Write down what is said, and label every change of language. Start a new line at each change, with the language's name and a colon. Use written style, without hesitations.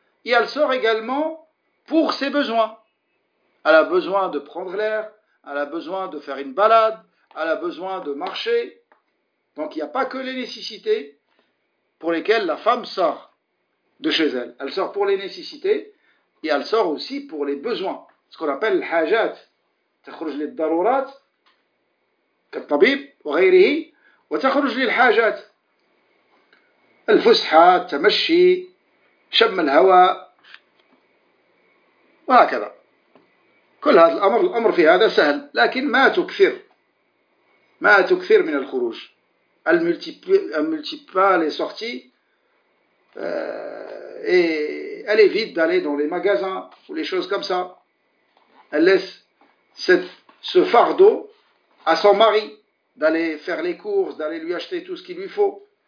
French: Et elle sort également pour ses besoins. Elle a besoin de prendre l'air, elle a besoin de faire une balade, elle a besoin de marcher. Donc il n'y a pas que les nécessités pour lesquelles la femme sort de chez elle. Elle sort pour les nécessités et elle sort aussi pour les besoins. Ce qu'on appelle le hajat.
Arabic: تخرج للضرورات كالطبيب وغيره وتخرج للحاجات الفسحة التمشي شم الهواء وهكذا. كل هذا الأمر، الأمر في هذا سهل، لكن ما تكثر، ما تكثر من الخروج.
French: الملتيبال سورتي elle évite d'aller dans les magasins ou les choses comme ça. Elle laisse ce fardeau à son mari d'aller faire les courses, d'aller lui acheter tout ce qu'il lui faut.